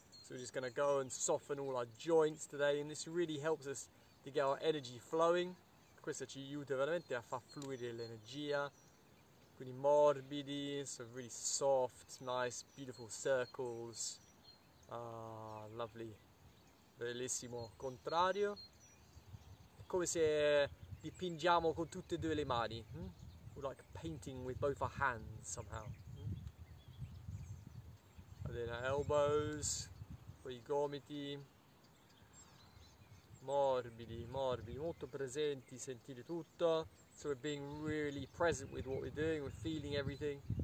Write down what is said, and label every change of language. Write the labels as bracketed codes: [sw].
[en] So we're just gonna go and soften all our joints today, and this really helps us to get our energy flowing. [it] Questo ci aiuta veramente a far fluire l'energia. Quindi morbidi, [en] so really soft, nice, beautiful circles. Ah, lovely. [it] Bellissimo. Contrario. Come se dipingiamo con tutte e due le mani. Hmm? [en] We're like painting with both our hands somehow. Hmm? And then our elbows, [it] poi i gomiti. Morbidi, morbidi. Molto presenti, sentire tutto. [en] So we're being really present with what we're doing, we're feeling everything.